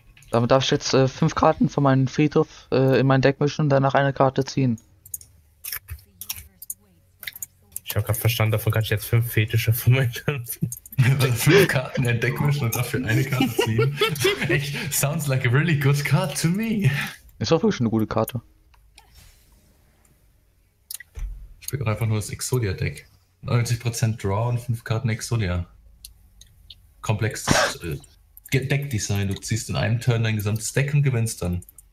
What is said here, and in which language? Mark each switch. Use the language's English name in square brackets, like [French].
[German] Damit darf ich jetzt 5 Karten von meinem Friedhof in mein Deck mischen und danach eine Karte ziehen. Ich habe gerade verstanden, davon kann ich jetzt 5 Fetische von meinen Karten. 5 Karten in Deck mischen und dafür eine Karte ziehen. [English] Echt, sounds like a really good card to me. [German] Ist auch wirklich eine gute Karte. Ich spiele einfach nur das Exodia Deck. 90% Draw und 5 Karten Exodia. Komplex Deckdesign. Du ziehst in einem Turn dein gesamtes Deck und gewinnst dann.